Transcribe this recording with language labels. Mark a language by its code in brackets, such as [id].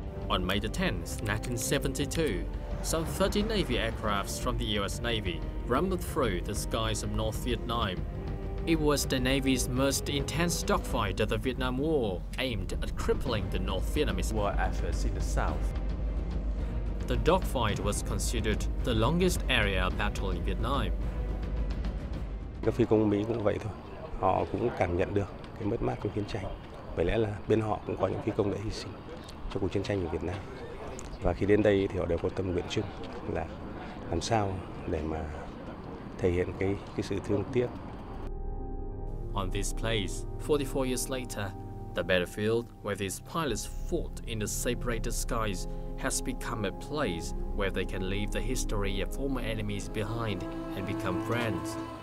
[en] On May the 10th, 1972, some 30 Navy aircrafts from the US Navy rumbled through the skies of North Vietnam. It was the Navy's most intense dogfight of the Vietnam War, aimed at crippling the North Vietnamese war efforts in the South. The dogfight was considered the longest aerial battle in Vietnam. [vi] Các phi công Mỹ cũng vậy thôi. Họ cũng cảm nhận được cái mất mát trong chiến tranh. Bởi lẽ là bên họ cũng có những phi công đã hy sinh cho cuộc chiến tranh của Việt Nam. Và khi đến đây thì họ đều có tâm nguyện chung là làm sao để mà thể hiện cái sự thương tiếc. [en] On this place, 44 years later, the battlefield where these pilots fought in the separated skies has become a place where they can leave the history of former enemies behind and become friends.